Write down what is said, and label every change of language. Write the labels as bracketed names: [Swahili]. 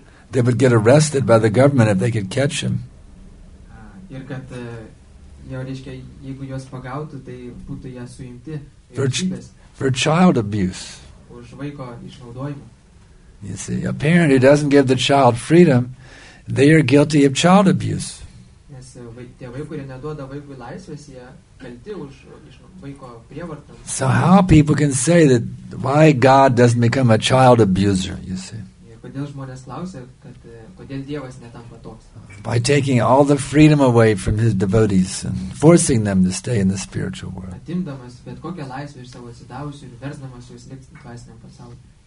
[English] They would get arrested by the government if they could catch him. [Lithuanian] Ir kad jau reiškia, jeigu juos pagautų, tai būtų ją suimti. [English] For child abuse. [Lithuanian] Už vaiko išnaudojimą. [English] You see, a parent who doesn't give the child freedom, they are guilty of child abuse. [Lithuanian] Nes tėvai, kurie neduoda vaikui laisvės, jie kalti už vaiko prievartą. [English] So how people can say that why God doesn't become a child abuser, you see? [Lithuanian] Kodėl žmonės klausia, kad kodėl Dievas netampa toks? [English] By taking all the freedom away from his devotees and forcing them to stay in the spiritual world. [Lithuanian] Atimdamas bet kokią laisvę iš savo atsidavusių ir versdamas juos likti dvasiniam pasaulyje.